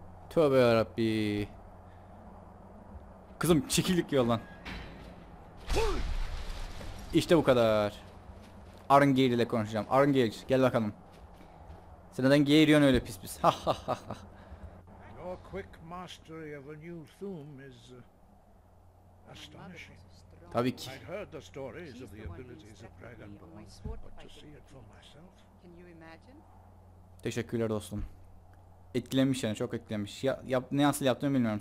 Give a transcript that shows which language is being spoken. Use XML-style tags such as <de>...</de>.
<tr>Tövbe yarabbi. Kızım çekildik yoldan. İşte bu kadar. Arın Geir ile konuşacağım. Arın Geir, gel bakalım. Sen neden geğiriyorsun öyle pis pis?</tr> <en>Your quick mastery of a new thumb is astonishing.</en> <tr>Tabii ki.</tr> <en>I've heard the stories of the abilities of Dragonborn, but to see it for myself. Can you imagine?</en> <tr>Teşekkürler dostum. Etkilenmiş yani, çok etkilenmiş. Ya, yap, ne asıl yaptığımı bilmiyorum.</tr>